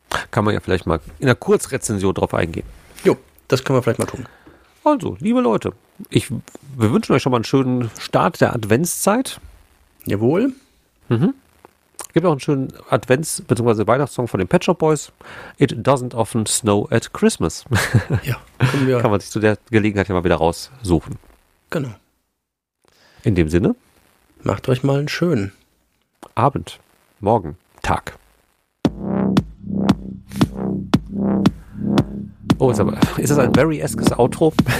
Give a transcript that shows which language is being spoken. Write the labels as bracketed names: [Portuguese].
[German] Kann man ja vielleicht mal in einer Kurzrezension drauf eingehen. Jo, das können wir vielleicht mal tun. Also, liebe Leute, wir wünschen euch schon mal einen schönen Start der Adventszeit. Jawohl. Mhm. Gibt auch einen schönen Advents- bzw. Weihnachtssong von den Pet Shop Boys. [English] It doesn't often snow at Christmas. [German] Ja, kann man sich zu der Gelegenheit ja mal wieder raussuchen. Genau. In dem Sinne, macht euch mal einen schönen Abend, Morgen, Tag. Oh, ist das ein Barry-eskes Outro?